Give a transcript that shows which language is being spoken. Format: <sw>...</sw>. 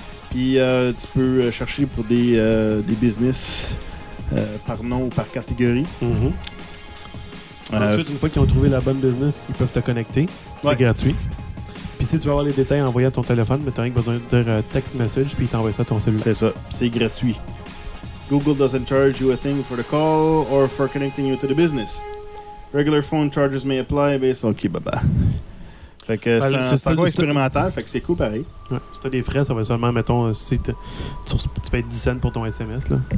<fr>Puis tu peux chercher pour des business par nom ou par catégorie. Mm-hmm. Ensuite, une fois qu'ils ont trouvé la bonne business, ils peuvent te connecter. C'est ouais. gratuit. Puis si tu veux avoir les détails, envoyé à ton téléphone, mais tu n'as rien besoin de dire text message, puis ils t'envoient ça à ton cellulaire. C'est ça. C'est gratuit.</fr> <en>Google doesn't charge you a thing for the call or for connecting you to the business. Regular phone charges may apply based on... OK, bye-bye.</en> <fr>Fait que c'est un c'est expérimental, fait que c'est cool pareil. Ouais. Si t'as des frais, ça va seulement, mettons, si tu payes 10 cents pour ton SMS, là.</fr>